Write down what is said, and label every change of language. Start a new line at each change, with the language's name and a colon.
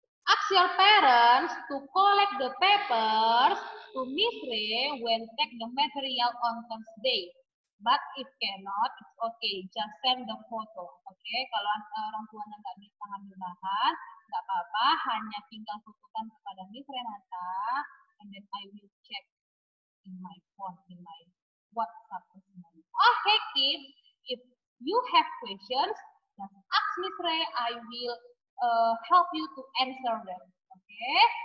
English: ask your parents to collect the papers to Miss Ray when take the material on Thursday. But if cannot, it's okay. Just send the photo. Okay?
Indonesian: Kalau orang tua yang gak bisa ambil bahan, gak apa-apa. Hanya tinggal tutupkan kepada Miss Renata.
English: And then I will check in my phone, in my WhatsApp. Okay, kids. If you have questions, just ask Miss Ray. I will help you to answer them. Okay?